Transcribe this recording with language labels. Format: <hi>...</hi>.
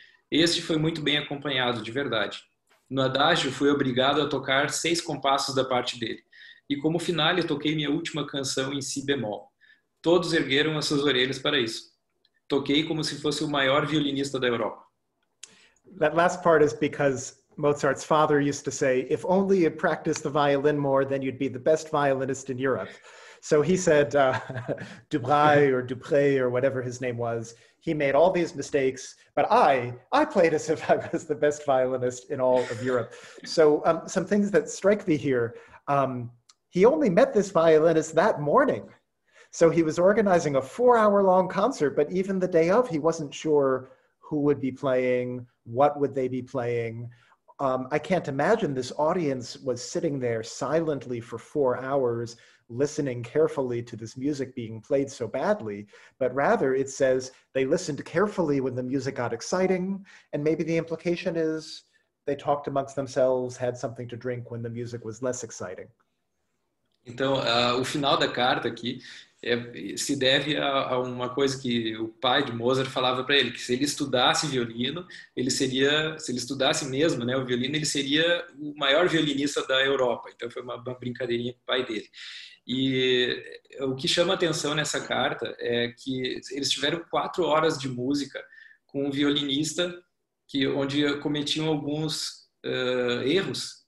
<pt>Este foi muito bem acompanhado, de verdade. No adágio, fui obrigado a tocar seis compassos da parte dele. E como finale, toquei minha última canção em si bemol. Todos ergueram as suas orelhas para isso. Toquei como se fosse o maior violinista da Europa.</pt> <en>That last part is because Mozart's father used to say, if only you practiced the violin more, then you'd be the best violinist in Europe. So he said, Dubreuil or Dupré or whatever his name was, he made all these mistakes, but I played as if I was the best violinist in all of Europe. So some things that strike me here, he only met this violinist that morning. So he was organizing a 4-hour long concert, but even the day of, he wasn't sure who would be playing, what would they be playing. I can't imagine this audience was sitting there silently for 4 hours, listening carefully to this music being played so badly, but rather it says they listened carefully when the music got exciting, and maybe the implication is they talked amongst themselves, had something to drink when the music was less exciting.</en> <pt>Então, o final da carta aqui se deve a uma coisa que o pai de Mozart falava para ele, que se ele estudasse violino, ele seria, se ele estudasse mesmo, né, o violino, ele seria o maior violinista da Europa. Então, foi uma brincadeirinha com o pai dele. E o que chama atenção nessa carta é que eles tiveram 4 horas de música com um violinista que, onde cometiam alguns erros.</pt>